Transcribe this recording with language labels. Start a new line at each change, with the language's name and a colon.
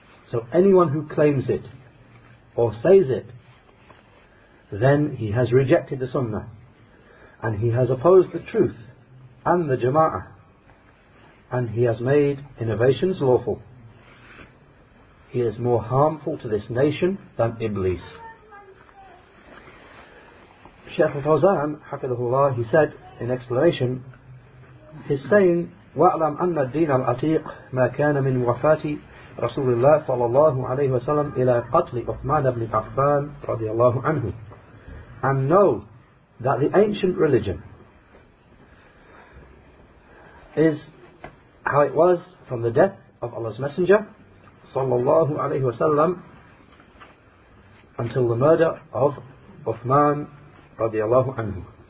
English: So anyone who claims it or says it, then he has rejected the sunnah and he has opposed the truth and the jama'ah, and he has made innovations lawful. He is more harmful to this nation than Iblis. Shaykh al-Fawzan, hafidhullah, he said in explanation, his saying,
Arabic: وَأَعْلَمْ أَنَّ الدِّينَ الْأَتِيقَ مَا كَانَ مِنْ وَفَاةِ رَسُولِ اللَّهِ صَلَى اللَّهُ عَلَيْهُ وَسَلَمْ إِلَى قَتْلِ عُثْمَانَ بْنِ عَفَّانَ رَضِيَ اللَّهُ عَنْهُ.
English: And know that the ancient religion is how it was from the death of Allah's Messenger sallallahu alayhi wasallam until the murder of Uthman radiallahu anhu.